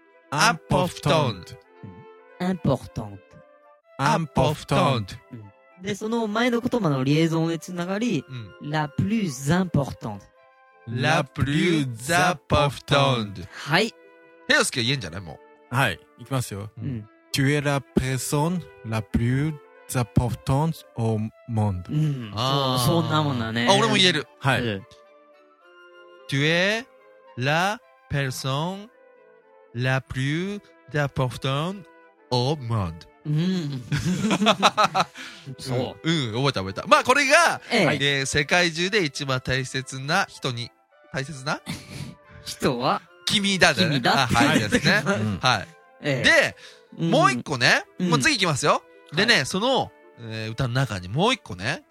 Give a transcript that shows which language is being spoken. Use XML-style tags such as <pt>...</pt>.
<fr>important. important. important.</fr> <ja>で、その前の言葉のリエゾンでつながり、うん、</ja> <fr>la plus importante. la plus importante.</fr> <ja>はい。ヘヨスケ言えんじゃないもう。はい、いきますよ。うん。</ja> <fr>Tu es la personne la plus importante au monde.</fr> <ja>そんなもんだね。あ、俺も言える。はい。</ja> <fr>Tu es la personne la plus importante au monde.</fr> <ja>そう。うん、覚えた覚えた。まあ、これが、世界中で一番大切な人に、大切な人は君だだね。君だはい、ですね。はい。で、もう一個ね、うん、もう次行きますよ、うん、でね、はい、その、歌の中にもう一個ね、</ja>